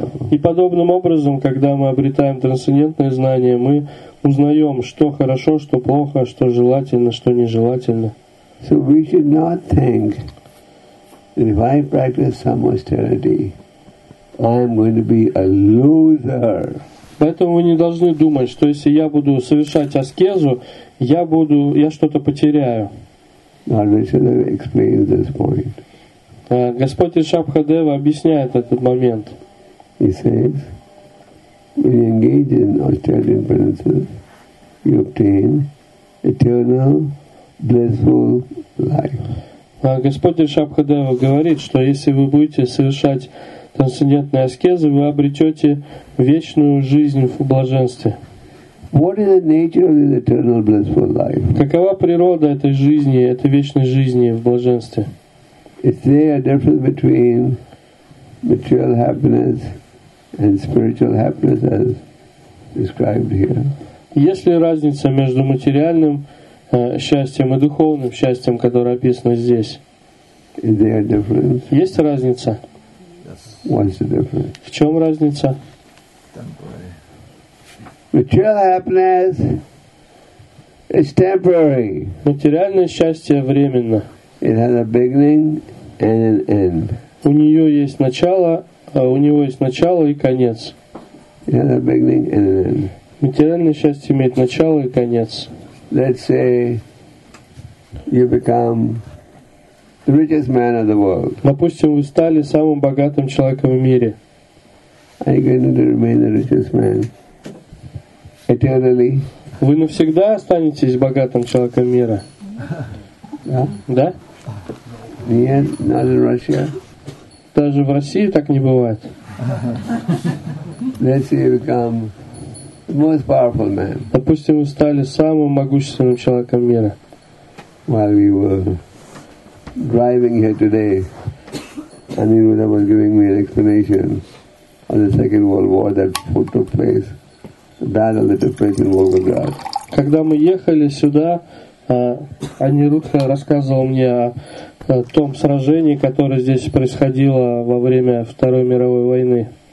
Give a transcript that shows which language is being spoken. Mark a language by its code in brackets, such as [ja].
[ru] И подобным образом, когда мы обретаем трансцендентное знание, мы узнаем, что хорошо, что плохо, что желательно, что нежелательно. [en] So we should not think that if I practice some austerity, I am going to be a loser. [ru] Поэтому вы не должны думать, что если я буду совершать аскезу, я что-то потеряю. [en] Advaita explains this point. [ru] Господь Ришабхадева объясняет этот момент. [en] He says, when you engage in austerity practices, you obtain eternal blissful life. [ru] Господь Ришабхадева говорит, что если вы будете совершать трансцендентные аскезы, вы обретете вечную жизнь в блаженстве. [en] What is the nature of this eternal blissful life? [ru] Какова природа этой жизни, этой вечной жизни в блаженстве? [en] Is there a difference between material happiness and spiritual happiness as described here? [ru] Есть ли разница между материальным счастьем и духовным счастьем, которое описано здесь? [en] Is there a difference? [ru] Есть разница? [en] Yes. What's the difference? [ru] В чем разница? [en] Material happiness is temporary. [ru] Материальное счастье временно. [en] It has a beginning and an end. [ru] У нее есть начало, у него есть начало и конец. [en] It has a beginning and an end. [ru] Материальное счастье имеет начало и конец. [en] Let's say you become the richest man of the world. [ru] Допустим, вы стали самым богатым человеком в мире. [en] Are you going to remain the richest man eternally? [ru] Вы навсегда останетесь богатым человеком мира? [en] Yeah. [ru] Да? Нет, [en] not in Russia. [ru] Даже в России так не бывает. [en] Let's say you become the most powerful man. [ru] Допустим, вы стали самым могущественным человеком мира. [en] While we were driving here today, Anirudha was giving me an explanation of the Second World War that took place, the battle that took place in Volgograd. [ru] Когда мы ехали сюда, Анирудха рассказывал мне о том сражении, которое здесь происходило во время Второй мировой войны.